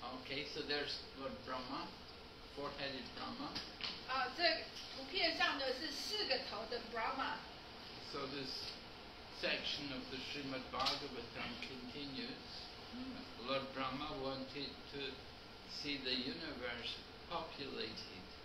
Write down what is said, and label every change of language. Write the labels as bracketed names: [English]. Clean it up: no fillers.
[English] Okay, so there's Lord Brahma, four-headed Brahma. [Chinese] 这图片上的是四个头的 Brahma. [English] So this section of the Srimad Bhagavatam continues. Lord Brahma wanted to see the universe populated.